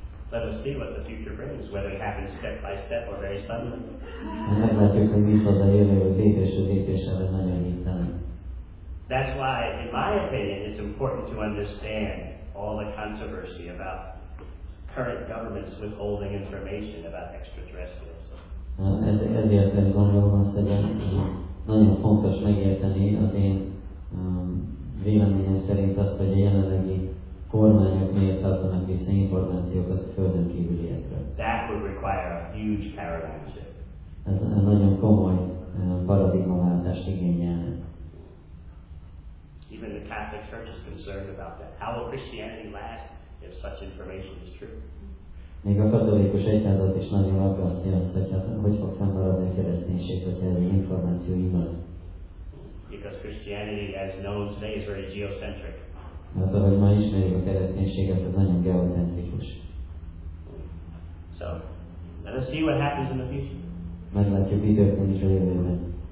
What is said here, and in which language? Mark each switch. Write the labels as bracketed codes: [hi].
[en] Let us see what the future brings, whether it happens step-by-step or very suddenly. And then that you can meet the earlier leaders or leaders of another meeting. That's why, in my opinion, it's important to understand all the controversy about current governments withholding information about extraterrestrials. [hu] Ezért én gondolom azt, hogy nagyon fontos megérteni az én véleményem szerint azt, hogy a jelenlegi kormányok miért tartanak vissza információkat a Földön kívüliekről. [en] That would require a huge paradigm shift. [hu] Ez nagyon komoly paradigmaváltást igényelne. [en] Even the Catholic Church is concerned about that. How will Christianity last if such information is true? [hu] Még a katolikus egyházat is nagyon aggasztja azt, hogy hogy fog fennmaradni a kereszténység, hogy ez az információ igaz. [en] Because Christianity, as known today, is very geocentric. [hu] Mert ahogy ma ismerjük a kereszténységet, az nagyon geocentrikus. [en] So, let us see what happens in the future. [hu] Meglátjuk időkben is a jövőben.